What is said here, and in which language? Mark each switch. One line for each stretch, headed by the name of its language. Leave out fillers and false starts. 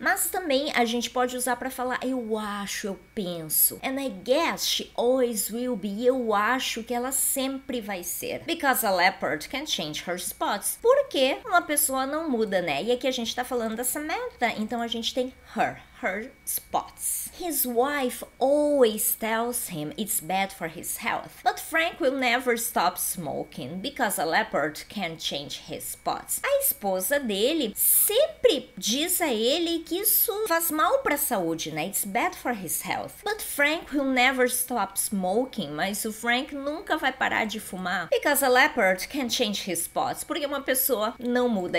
Portuguese: Mas também a gente pode usar pra falar, eu acho, eu penso.
English: And I guess she always will be.
Portuguese: Eu acho que ela sempre vai ser.
English: Because a leopard can't change her spots.
Portuguese: Porque uma pessoa não muda, né? E aqui a gente tá falando da Samantha, então a gente tem her.
English: Her spots. His wife always tells him it's bad for his health. But Frank will never stop smoking because a leopard can't change his spots.
Portuguese: A esposa dele sempre diz a ele que isso faz mal pra saúde, né?
English: It's bad for his health. But Frank will never stop smoking.
Portuguese: Mas o Frank nunca vai parar de fumar.
English: Because a leopard can't change his spots.
Portuguese: Porque uma pessoa não muda.